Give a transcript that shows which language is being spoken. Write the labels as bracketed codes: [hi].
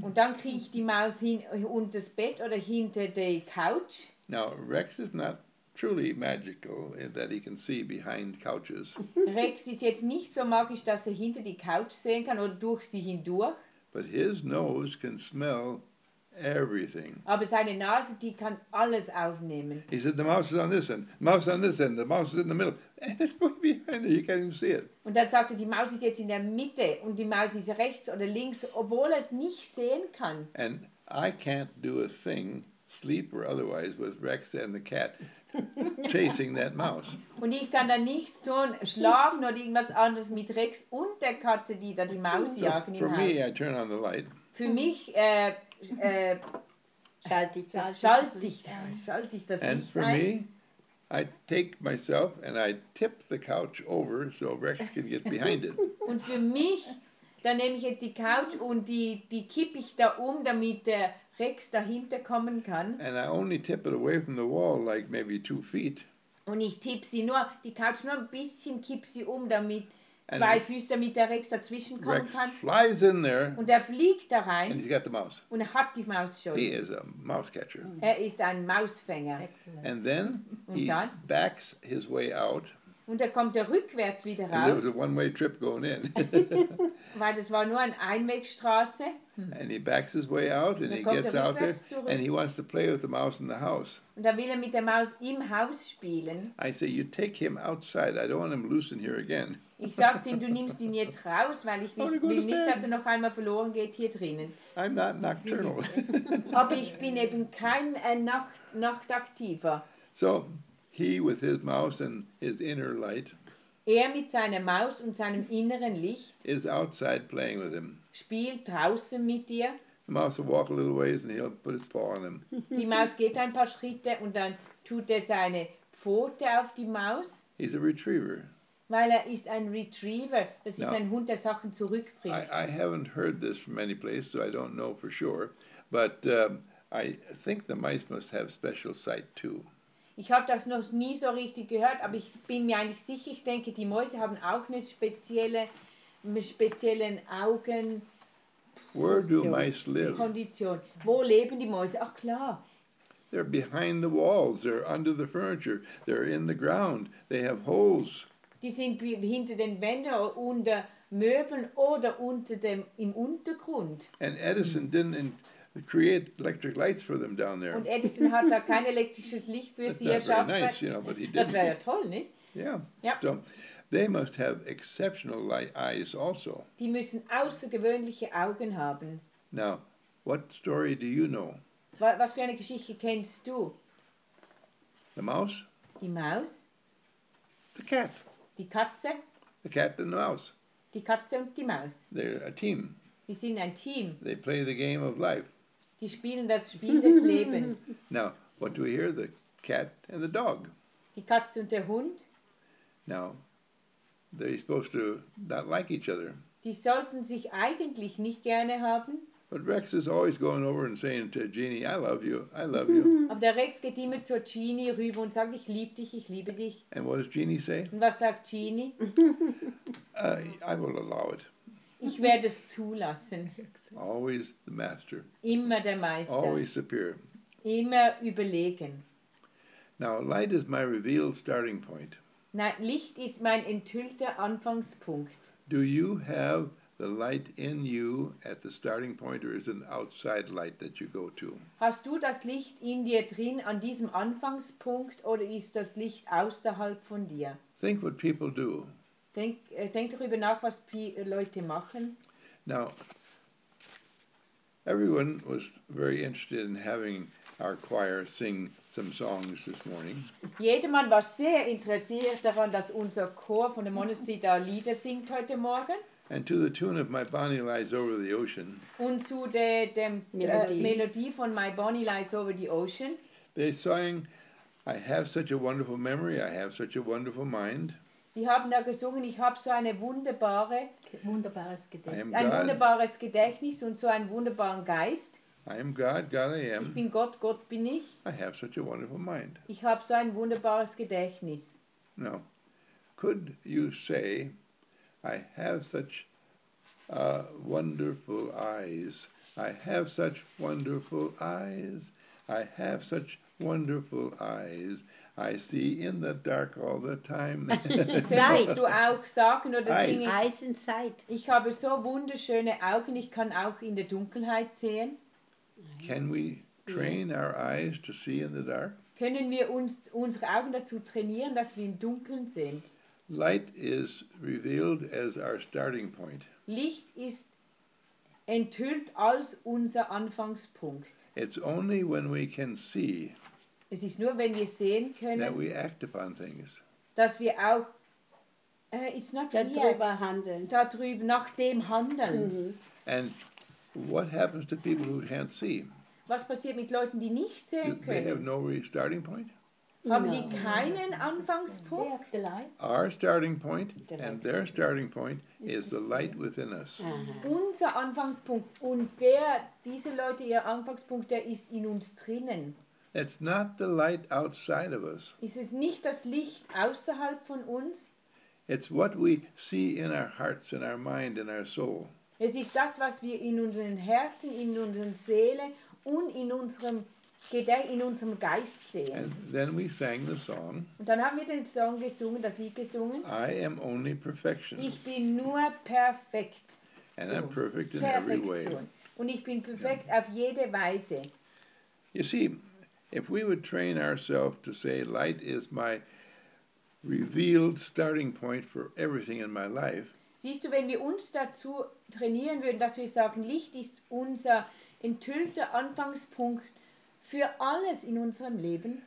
[de] Und dann kriecht die Maus hin unter das Bett oder hinter die Couch. [en] Now Rex is not truly magical in that he can see behind couches. [de] Rex ist jetzt nicht so magisch, dass er hinter die Couch sehen kann oder durch sie hindurch. [en] But his nose can smell everything. [de] Aber seine Nase, die kann alles aufnehmen. [en] He said, the mouse is on this end, the mouse is on this end, the mouse is in the middle. And it's right behind it, you can't even see it. [de] Und dann sagt er, die Maus ist jetzt in der Mitte und die Maus ist rechts oder links, obwohl er es nicht sehen kann. [en] And I can't do a thing, sleep or otherwise, with Rex and the cat chasing that mouse. [de] Und ich kann da nichts tun, schlafen oder irgendwas anderes mit Rex und der Katze, die da die Maus jagen im Haus. [en] For me, I turn on the light. [de] Für mich, schalte ich das Licht ein. [en] I take myself and I tip the couch over so Rex can get behind it. [de] Und für mich, dann nehme ich jetzt die Couch und die kippe ich da um, damit der Rex dahinter kommen kann. [en] And I only tip it away from the wall like maybe 2 feet. [de] Und ich tippe sie nur, die Couch nur ein bisschen kipp sie um, damit [en] and [de] zwei Füße, damit der Rex dazwischen kommen [en] Rex Rex flies in there. [de] Und er fliegt da rein. [en] And he's got the mouse. [de] Und er hat die Maus schon. [en] He is a mouse catcher. [de] Er ist ein Mausfänger. [en] Excellent. And then he backs his way out. [de] Und er kommt rückwärts wieder raus. [en] Because it was a one-way trip going in. [de] Weil das war nur eine Einwegstraße. [en] And he backs his way out and he gets out there. [de] Zurück. [en] And he wants to play with the mouse in the house. [de] Und dann will er mit der Maus im Haus spielen. [en] I say, you take him outside. I don't want him loose in here again. [de] Ich sage zu ihm, du nimmst ihn jetzt raus, weil ich nicht, will nicht, dass er noch einmal verloren geht hier drinnen. [en] I'm not nocturnal. [de] Aber ich bin eben kein Nachtaktiver. [en] So, he with his mouse and his inner light. [de] Er mit seiner Maus und seinem inneren Licht. [en] Is outside playing with him. [de] Spielt draußen mit dir. [en] The mouse will walk a little ways and he'll put his paw on him. [de] Die Maus geht ein paar Schritte und dann tut er seine Pfote auf die Maus. [en] He's a retriever. [de] Weil er ist ein Retriever. Das ist ein Hund, der Sachen zurückbringt. [en] I haven't heard this from any place, so I don't know for sure. But I think the mice must have special sight too. [de] Ich habe das noch nie so richtig gehört, aber ich bin mir eigentlich sicher. Ich denke, die Mäuse haben auch eine speziellen Augen. [en] Where do mice live? [de] Kondition. Wo leben die Mäuse? Ach klar. [en] They're behind the walls. They're under the furniture. They're in the ground. They have holes. [de] Die sind hinter den Wänden, unter Möbeln oder unter dem im Untergrund. [en] And Edison didn't create electric lights for them down there. [de] Und Edison hat da kein elektrisches Licht für sie erschaffen. [en] That's nice, you know, but he didn't. [de] Das wäre ja toll, ne? [en] Yeah. Yep. So, they must have exceptional light eyes also. [de] Die müssen außergewöhnliche Augen haben. [en] Now, what story do you know? [de] Was für eine Geschichte kennst du? [en] The mouse? [de] Die Maus? [en] The cat. [de] Die Katze? [en] The cat and the mouse. [de] Die Katze und die Maus. [en] They're a team. [de] Die sind ein Team. [en] They play the game of life. [de] Die spielen das Spiel des Lebens. [en] Now, what do we hear? The cat and the dog. [de] Die Katze und der Hund. [en] Now, they're supposed to not like each other. [de] Die sollten sich eigentlich nicht gerne haben. [en] But Rex is always going over and saying to Jeannie, I love you, I love you. [de] Aber der Rex geht immer zur Jeannie rüber und sagt, ich liebe dich, ich liebe dich. [en] And what does Jeannie say? [de] Und was sagt Jeannie? [en] I will allow it. [de] Ich werde es zulassen. [en] Always the master. [de] Immer der Meister. [en] Always superior. [de] Immer überlegen. [en] Now, light is my revealed starting point. [de] Nein, Licht ist mein enthüllter Anfangspunkt. [en] Do you have the light in you at the starting point, or is it an outside light that you go to? [de] Hast du das Licht in dir drin an diesem Anfangspunkt, oder ist das Licht außerhalb von dir? [en] Think what people do. [de] Denk darüber nach, was Leute machen. [en] Now, everyone was very interested in having our choir sing some songs this morning. [de] Jedermann war sehr interessiert daran, dass unser Chor von der Monastery da Lieder singt heute Morgen. [en] And to the tune of My Bonnie Lies Over the Ocean. [de] Und zu der Melodie von My Bonnie Lies Over the Ocean. [en] They sang, I have such a wonderful memory, I have such a wonderful mind. [de] Die haben da gesungen, ich habe so eine wunderbares Gedächtnis. Ein wunderbares Gedächtnis und so einen wunderbaren Geist. [en] I am God, God I am. [de] Ich bin Gott, Gott bin ich. [en] I have such a wonderful mind. [de] Ich habe so ein wunderbares Gedächtnis. [en] Now, could you say, I have such wonderful eyes. I have such wonderful eyes. I have such wonderful eyes. I see in the dark all the time. Sight. [de] Du auch sagen oder singen? [en] Eyes and sight. [de] Ich habe so wunderschöne Augen. Ich kann auch in der Dunkelheit sehen. [en] Can we train our eyes to see in the dark? [de] Können wir unsere Augen dazu trainieren, dass wir im Dunkeln sehen? [en] Light is revealed as our starting point. [de] Licht ist enthüllt als unser Anfangspunkt. [en] It's only when we can see. [de] Es ist nur, wenn wir sehen können. [en] That we act upon things. [de] Dass wir auch [en] it's not [de] darüber handeln. Darüber nach dem handeln. Mm-hmm. [en] And what happens to people who can't see? [de] Was passiert mit Leuten, die nicht sehen können? [en] They have no starting point. [de] Haben die keinen Anfangspunkt? [en] Our starting point and their starting point is the light within us. Uh-huh. [de] Unser Anfangspunkt und diese Leute, ihr Anfangspunkt, der ist in uns drinnen. [en] It's not the light outside of us. [de] Ist es nicht das Licht außerhalb von uns? [en] It's what we see in our hearts, in our mind, in our soul. [de] Es ist das, was wir in unseren Herzen, in unseren Seelen und in unserem in unserem Geist sehen. [en] And then we sang the song. [de] Und dann haben wir den Song gesungen, das Lied gesungen. [en] I am only perfection. [de] Ich bin nur perfekt. [en] And so, I'm perfect in every way. [de] Und ich bin perfekt auf jede Weise. [en] You see, if we would train ourselves to say, light is my revealed starting point for everything in my life. [de] Siehst du, wenn wir uns dazu trainieren würden, dass wir sagen, Licht ist unser enthüllter Anfangspunkt für alles in unserem Leben.